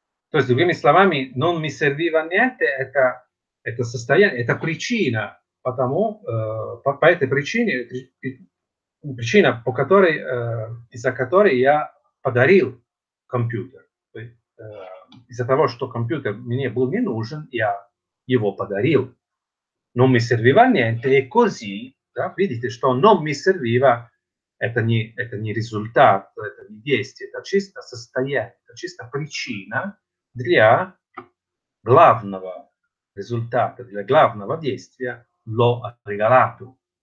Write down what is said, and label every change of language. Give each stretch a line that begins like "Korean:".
Russian: То есть, другими словами,
Italian: non mi serviva a niente,
Russian: это... Это состояние, это причина, потому, по этой причине, причина, по которой, из-за которой я подарил компьютер. Из-за того, что компьютер мне был не нужен, я его подарил.
Italian: Non mi serviva niente, e così,
Russian: да, видите, что
Italian: non mi serviva,
Russian: это не результат, это не действие, это чисто состояние, это чисто причина для главного.
Italian: Risultato della
Russian: главного действия
Italian: l'ho regalato.